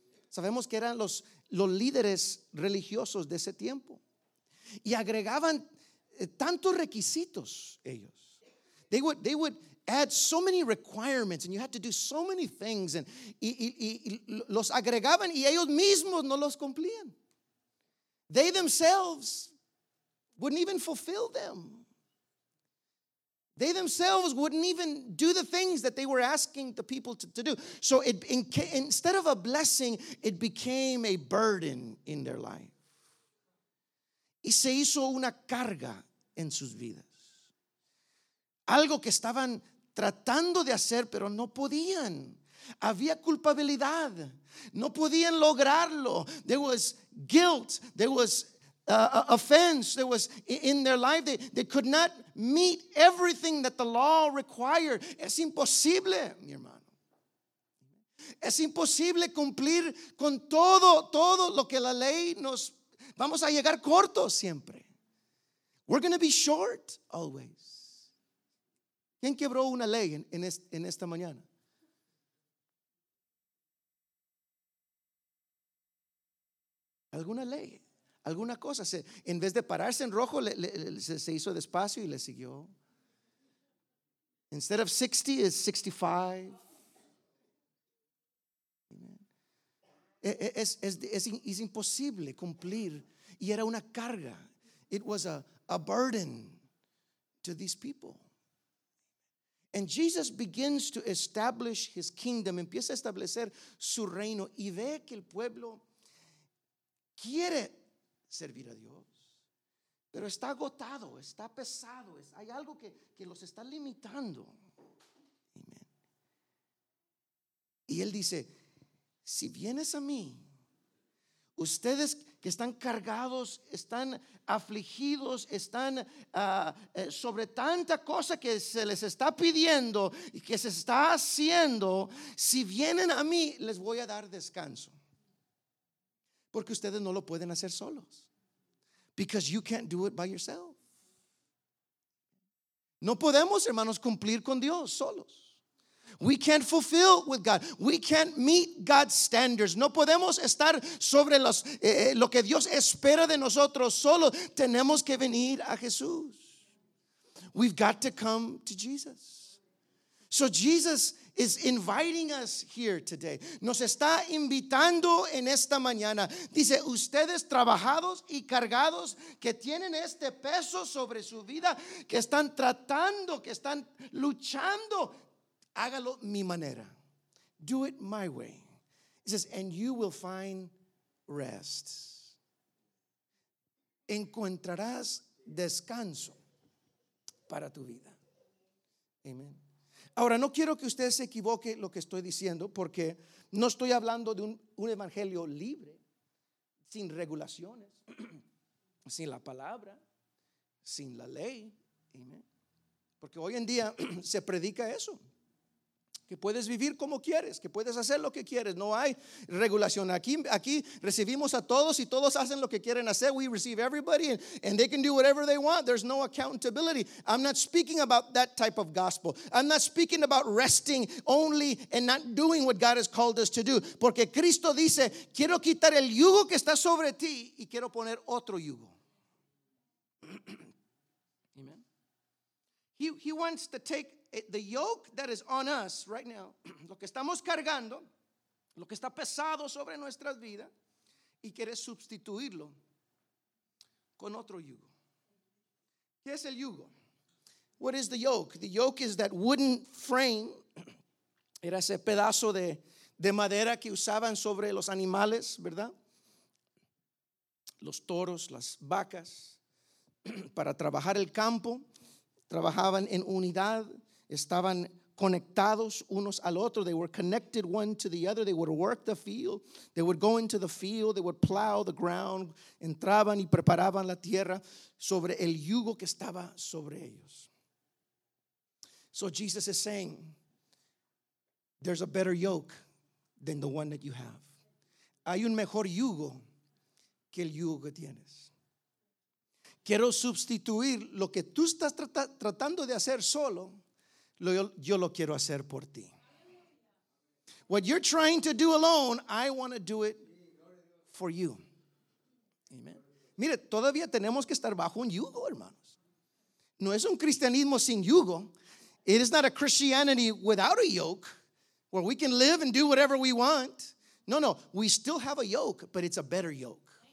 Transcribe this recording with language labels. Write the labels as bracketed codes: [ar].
[es] Sabemos que eran los líderes religiosos de ese tiempo. Y agregaban tantos requisitos ellos. [en] They would add so many requirements and you had to do so many things. [es] Y los agregaban y ellos mismos no los cumplían. [en] They themselves wouldn't even fulfill them. They themselves wouldn't even do the things that they were asking the people to do. So instead of a blessing, it became a burden in their life. [es] Y se hizo una carga en sus vidas. Algo que estaban tratando de hacer, pero no podían. Había culpabilidad. No podían lograrlo. [en] There was guilt, there was offense, there was in their life, they could not meet everything that the law required. [es] Es imposible, mi hermano. Es imposible cumplir con todo lo que la ley nos... Vamos a llegar corto siempre. [en] We're going to be short always. [es] ¿Quién quebró una ley en esta mañana? ¿Alguna ley? Alguna cosa, en vez de pararse en rojo, se hizo despacio y le siguió. [en] Instead of 60, it's 65. [es] Es imposible cumplir. Y era una carga. [en] It was a burden to these people. And Jesus begins to establish his kingdom. [es] Empieza a establecer su reino. Y ve que el pueblo quiere servir a Dios, pero está agotado, está pesado, hay algo que los está limitando. Amen. Y él dice: si vienes a mí, ustedes que están cargados, están afligidos, están sobre tanta cosa que se les está pidiendo y que se está haciendo, si vienen a mí, les voy a dar descanso, porque ustedes no lo pueden hacer solos. [en] Because you can't do it by yourself. [es] No podemos, hermanos, cumplir con Dios solos. [en] We can't fulfill with God. We can't meet God's standards. [es] No podemos estar sobre lo que Dios espera de nosotros solos. Tenemos que venir a Jesús. [en] We've got to come to Jesus. So Jesus is inviting us here today. [es] Nos está invitando en esta mañana. Dice: ustedes trabajados y cargados, que tienen este peso sobre su vida, que están tratando, que están luchando, hágalo mi manera. [en] Do it my way. He says, and you will find rest. [es] Encontrarás descanso para tu vida. Amen. Ahora, no quiero que usted se equivoque lo que estoy diciendo, porque no estoy hablando de un evangelio libre, sin regulaciones, sin la palabra, sin la ley. Porque hoy en día se predica eso, que puedes vivir como quieres, que puedes hacer lo que quieres. No hay regulación. Aquí recibimos a todos y todos hacen lo que quieren hacer. [en] We receive everybody and they can do whatever they want. There's no accountability. I'm not speaking about that type of gospel. I'm not speaking about resting only and not doing what God has called us to do. [es] Porque Cristo dice: quiero quitar el yugo que está sobre ti y quiero poner otro yugo. [en] Amen. He wants to take the yoke that is on us right now, [es] lo que estamos cargando, lo que está pesado sobre nuestras vidas, y quiere sustituirlo con otro yugo. ¿Qué es el yugo? [en] What is the yoke? The yoke is that wooden frame. [es] Era ese pedazo de madera que usaban sobre los animales, ¿verdad? Los toros, las vacas, para trabajar el campo. Trabajaban en unidad. Estaban conectados unos al otro. [en] They were connected one to the other. They would work the field. They would go into the field. They would plow the ground. [es] Entraban y preparaban la tierra sobre el yugo que estaba sobre ellos. [en] So Jesus is saying, there's a better yoke than the one that you have. [es] Hay un mejor yugo que el yugo que tienes. Quiero sustituir lo que tú estás tratando de hacer solo. Yo lo quiero hacer por ti. [en] What you're trying to do alone, I want to do it for you. Amen. [es] Mire, todavía tenemos que estar bajo un yugo, hermanos. No es un cristianismo sin yugo. [en] It is not a Christianity without a yoke, where we can live and do whatever we want. No, we still have a yoke, but it's a better yoke.